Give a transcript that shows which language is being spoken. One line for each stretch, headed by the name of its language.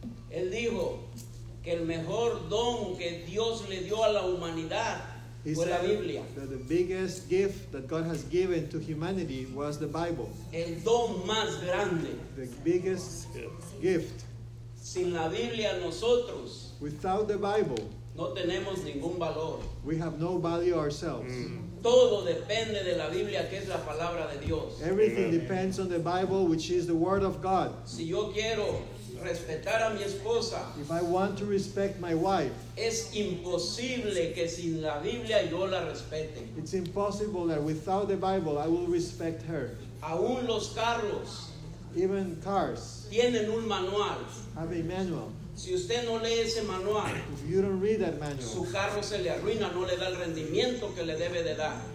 Spanish: Él dijo que el mejor don que Dios le dio a la humanidad
English: he
Spanish: fue la Biblia.
English: That the biggest gift that God has given to humanity was the Bible.
Spanish: El don más grande.
English: The biggest gift.
Spanish: Sin la Biblia nosotros.
English: Without the Bible.
Spanish: No tenemos ningún valor.
English: We have no value ourselves. Mm.
Spanish: Todo depende de la Biblia, que es la palabra de Dios.
English: Everything depends on the Bible, which is the word of God.
Spanish: Si yo quiero respetar a mi esposa,
English: if I want to respect my wife,
Spanish: es imposible que sin la Biblia yo la respete.
English: It's impossible that without the Bible I will respect her.
Spanish: Aún los carros,
English: even cars,
Spanish: tienen un manual.
English: Have a manual.
Spanish: Si usted no lee ese manual,
English: if you don't read that manual,
Spanish: su carro se le arruina, no le da el rendimiento que le debe de dar.